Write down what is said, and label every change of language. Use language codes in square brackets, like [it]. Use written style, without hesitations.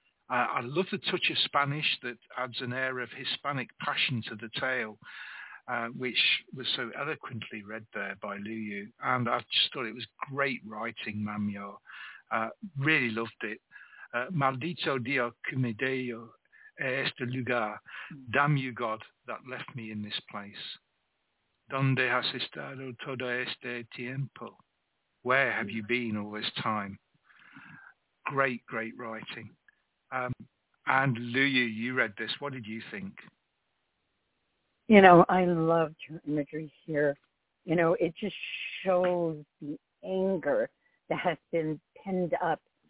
[en] I love the touch of Spanish that adds an air of Hispanic passion to the tale, which was so eloquently read there by Liu Yu. And I just thought it was great writing, Mamya. Really loved it. [es] Maldito Dio que me dio este lugar. [en] Damn you, God, that left me in this place. [es] ¿Dónde has estado todo este tiempo? [en] Where have you been all this time? Great, great writing. And Liu Yu, you read this. What did you think? You know, I loved your imagery here. You know, it just shows the anger that has been penned up.